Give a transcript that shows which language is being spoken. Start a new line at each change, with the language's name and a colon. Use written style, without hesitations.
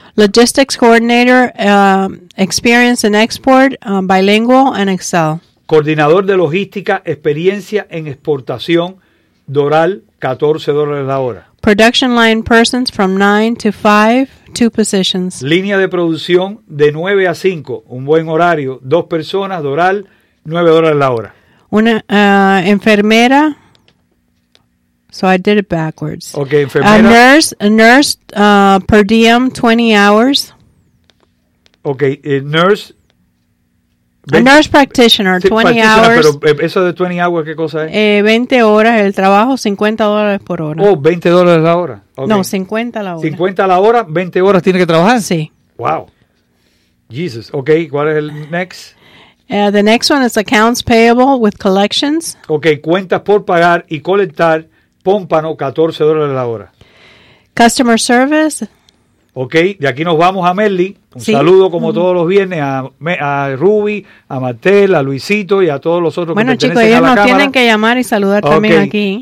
English: Logistics coordinator, experience in export, bilingual and Excel.
Spanish: Coordinador de logística, experiencia en exportación, Doral, $14 la hora.
English: Production line persons from 9 to 5, 2 positions.
Spanish: Línea de producción de 9 a 5, un buen horario, 2 personas, Doral, $9 la hora. Una enfermera.
English: So I did it backwards.
Spanish: Okay, enfermera.
English: A nurse per diem 20 hours. Okay, nurse. A nurse practitioner, sí, 20 hours.
Spanish: Pero eso de
English: 20 hours,
Spanish: ¿qué cosa es? 20 horas el trabajo, $50 por hora. Oh, $20 la hora. Okay. No, 50 la hora. 50 la hora, 20 horas tiene que trabajar. Sí. Wow. Jesus. Okay, ¿cuál es el next?
English: The next one is accounts payable with collections.
Spanish: Okay, cuentas por pagar y colectar, pómpano, $14 la hora.
English: Customer service.
Spanish: Ok, de aquí nos vamos a Merly. Un saludo como todos los viernes a Ruby, a Martel, a Luisito y a todos los otros. Bueno, que chicos, ellos nos tienen que llamar y saludar también aquí.